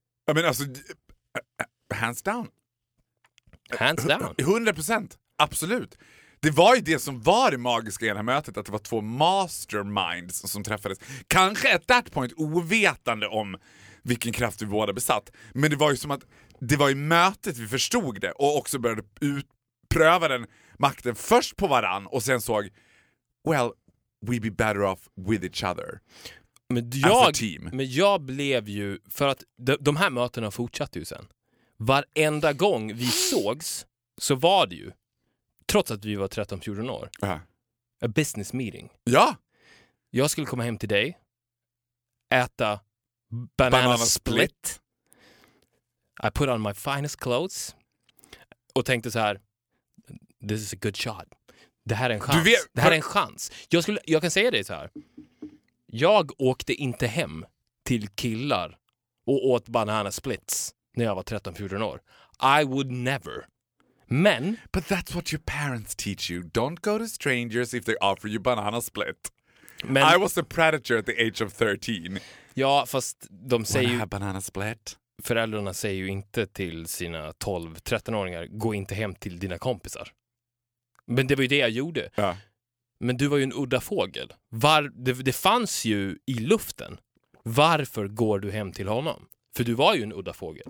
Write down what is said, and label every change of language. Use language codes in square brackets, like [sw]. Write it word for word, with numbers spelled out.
[en] I mean, [sv] alltså, [en] hands down. Hands down. [sv] hundra procent. Absolut. Det var ju det som var det magiska i det här mötet, att det var två masterminds som träffades. Kanske [en] at that point [sv] ovetande om vilken kraft vi båda besatt. Men det var ju som att det var i mötet vi förstod det och också började utpröva den makten först på varann och sen såg, [en] well, we be better off with each other. [sv] Men jag, men jag blev ju, för att de, de här mötena fortsatte ju sen. Varenda gång vi sågs så var det ju, trots att vi var tretton fjorton år, uh-huh. [en] a business meeting. [sv] Ja! Jag skulle komma hem till dig, äta banana, banana split. split. [en] I put on my finest clothes [sv] och tänkte så här, [en] this is a good shot. [sv] Det här är en chans. Vet, det här är en chans. Jag, skulle, jag kan säga det så här. Jag åkte inte hem till killar och åt banana splits när jag var tretton fjorton år. [en] I would never. [sv] Men... [en] But that's what your parents teach you. Don't go to strangers if they offer you banana split. [sv] Men, [en] I was a predator at the age of thirteen. [sv] Ja, fast de säger ju... [en] banana split? [sv] Föräldrarna säger ju inte till sina tolv tretton-åringar, gå inte hem till dina kompisar. Men det var ju det jag gjorde. Ja. Men du var ju en udda fågel. Var, det, det fanns ju i luften. Varför går du hem till honom? För du var ju en udda fågel.